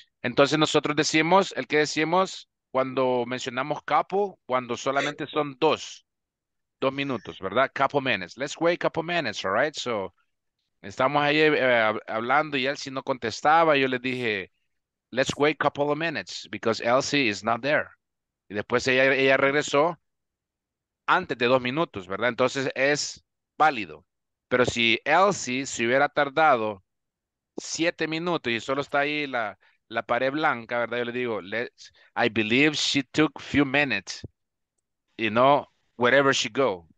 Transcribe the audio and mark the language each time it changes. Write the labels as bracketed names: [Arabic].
[Spanish] Entonces nosotros decimos, el que decimos cuando mencionamos couple, cuando solamente son dos minutos, ¿verdad? [English] Couple minutes. Let's wait a couple minutes, all right? So, [Spanish] estamos ahí hablando y Elsie no contestaba. Yo le dije, [English] let's wait a couple of minutes because Elsie is not there. [Spanish] Y después ella regresó antes de dos minutos, ¿verdad? Entonces es válido. Pero si Elsie se hubiera tardado siete minutos y solo está ahí la pared blanca, ¿verdad? Yo le digo, [English] I believe she took a few minutes, you know, wherever she go.